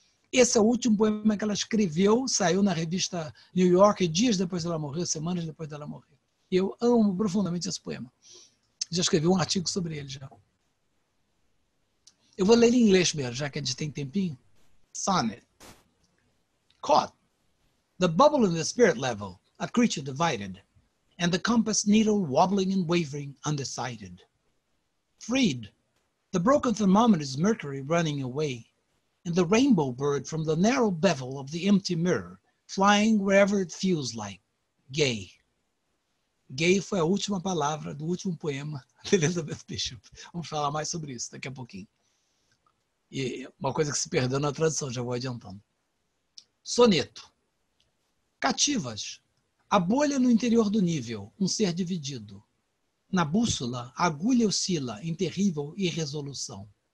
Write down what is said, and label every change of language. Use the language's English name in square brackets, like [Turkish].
[Portuguese] Esse é o último poema que ela escreveu, saiu na revista New York, dias depois dela morrer, semanas depois dela morrer. Eu amo profundamente esse poema. Já escrevi um artigo sobre ele, já. Eu vou ler em inglês mesmo, já que a gente tem tempinho. [English] Sonnet. Caught. The bubble in the spirit level. A creature divided, and the compass needle wobbling and wavering, undecided. Freed, the broken thermometer's mercury running away, and the rainbow bird from the narrow bevel of the empty mirror, flying wherever it feels like, gay. [Portuguese] Gay foi a última palavra do último poema de Elizabeth Bishop. Vamos falar mais sobre isso daqui a pouquinho. E uma coisa que se perdeu na tradução, já vou adiantando. Soneto. Cativas. A bolha no interior do nível, um ser dividido. Na bússola, a agulha oscila em terrível irresolução.